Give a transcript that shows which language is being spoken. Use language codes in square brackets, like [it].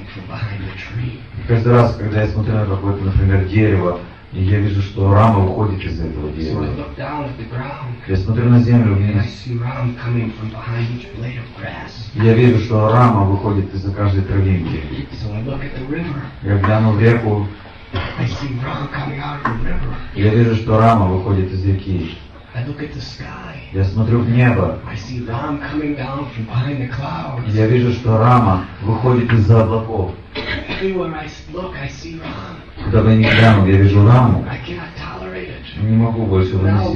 [ru] И каждый раз, когда я смотрю на какое-то, например, дерево, и я вижу, что Рама уходит из этого дерева. [en] So I look down at the ground, [ru] я смотрю на землю вниз. [en] And I see Ram coming from behind each blade of grass. [ru] Я вижу, что Рама выходит из-за каждой травинки. [en] So I look at the river. [ru] Я глянул в реку. [en] I see Ram coming out of the river. [ru] Я вижу, что Рама выходит из реки. [en] I look at the sky. [ru] Я смотрю в небо. [en] I see Ram coming down from behind the clouds. [ru] Я вижу, что Рама выходит из-за облаков. [en] Everywhere I look, I see Ram. [ru] Куда бы я ни глянул, я вижу Раму. [en] I cannot tolerate it. [ru] Не могу больше выносить.